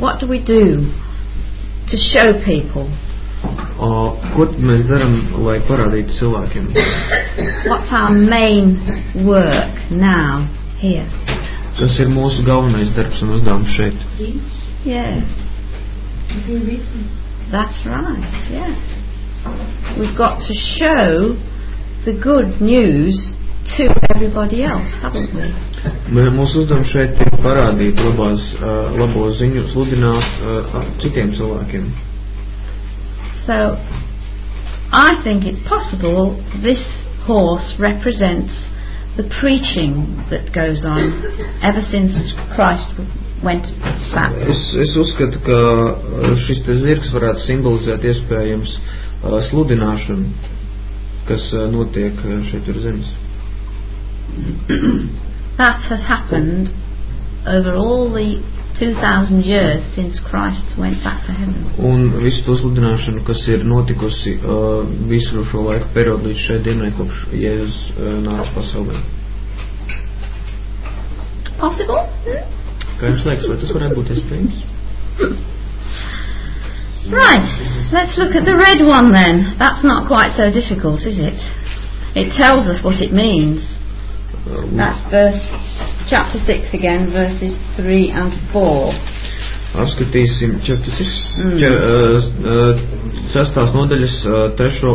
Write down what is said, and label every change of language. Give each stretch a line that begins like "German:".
English: What do we do to show people?
Latvian: Ko mēs daram, lai parādītu cilvēkiem?
English: What's our main work now here?
Latvian: Kas ir mūsu galvenais darbs un uzdevums šeit?
English: Yes. That's right. Yes. We've got to show the good news to everybody else, haven't we?
Latvian: Mūsu uzdevums šeit ir parādīt labo ziņu, sludināt citiem cilvēkiem.
English: So, I think it's possible this horse represents the preaching that goes on ever since Christ went back.
Latvian: Es uzskatu, ka šis te zirgs varētu simbolizēt iespējams sludināšanu, kas notiek šeit uz zemes.
English: That has happened over all the 2000 years since Christ went back to heaven.
Latvian: Un visu to sludināšanu, kas ir notikusi visu šo laiku periodu līdz šai dienai, kopš Jēzus nāca pasaulē.
English: Possible?
Latvian: Kā jums liekas, vai tas varētu būt iespējams?
English: Right, let's look at the red one then. That's not quite so difficult, is it? It tells us what it means. That's verse chapter 6 again, verses 3 and 4.
Latvian: Apskatīsim
English: chapter 6,
Latvian: sestās nodaļas 3.